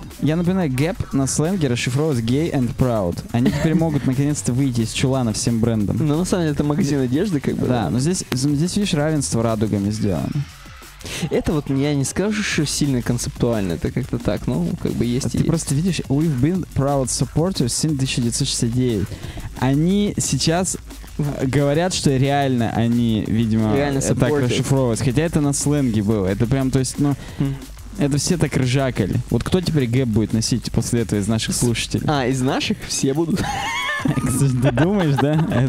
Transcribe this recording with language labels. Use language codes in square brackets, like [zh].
[ru] Я напоминаю, Gap на сленге расшифровывается [en] gay and proud. [ru] Они теперь могут наконец-то выйти из чулана всем брендом. Ну, на самом деле, это магазин одежды, как бы. Да, но здесь видишь, равенство радугами сделано. Это вот, я не скажу, что сильно концептуально, это как-то так, ну, как бы есть а и ты есть. Просто видишь, [en] we've been proud supporters since 1969. [ru] Они сейчас говорят, что реально они, видимо, реально так расшифровывают. Хотя это на сленге было, это прям, то есть, ну, это все так ржакали. Вот кто теперь гэп будет носить после этого из наших слушателей? А, из наших все будут... Ты думаешь, да?